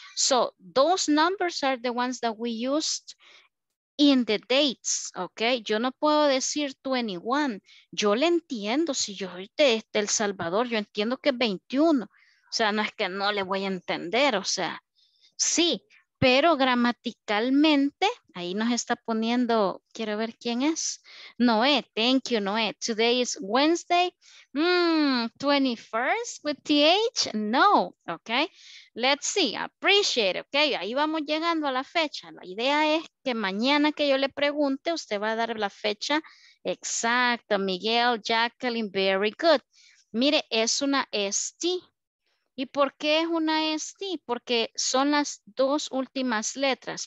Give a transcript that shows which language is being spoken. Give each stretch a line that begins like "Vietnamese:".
English: So, those numbers are the ones that we used in the dates.
Spanish: Ok. Yo no puedo decir 21. Yo le entiendo. Si yo soy de El Salvador, yo entiendo que es 21. O sea, no es que no le voy a entender. O sea, sí. Pero gramaticalmente, ahí nos está poniendo, quiero ver quién es.
English: Noé, thank you, Noé. Today is Wednesday, 21st with TH, no, ok. Let's see, appreciate, ok.
Spanish: Ahí vamos llegando a la fecha. La idea es que mañana que yo le pregunte, usted va a dar la fecha exacta. Miguel, Jacqueline,
English: very good.
Spanish: Mire, es una ST. ¿Y por qué es una ST? Porque son las dos últimas letras.